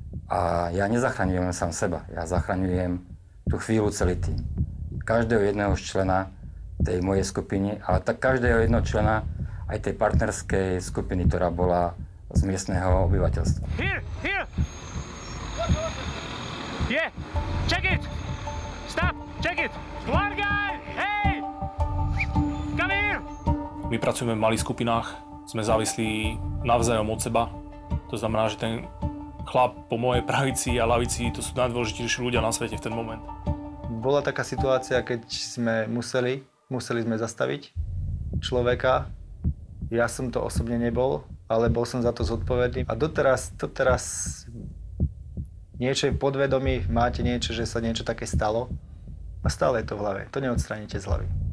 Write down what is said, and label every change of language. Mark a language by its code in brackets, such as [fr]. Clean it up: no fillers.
[sk] A ja nezachraňujem len sám seba, ja zachraňujem tú chvíľu celý tým. Každého jedného člena tej mojej skupiny, ale tak každého jedného člena aj tej partnerskej skupiny, ktorá bola z miestneho obyvateľstva. [en] Yeah, check it! Stop, check it! Blargaj! Hey! Come here! [sk] My pracujeme v malých skupinách, sme závislí navzájom od seba. To znamená, že ten chlap po mojej pravici a ľavici, to sú najdôležitejší ľudia na svete v ten moment. Bola taká situácia, keď sme museli zastaviť človeka. Ja som to osobne nebol, ale bol som za to zodpovedný. A doteraz niečo je podvedomí, máte niečo, že sa niečo také stalo a stále je to v hlave, to neodstraníte z hlavy.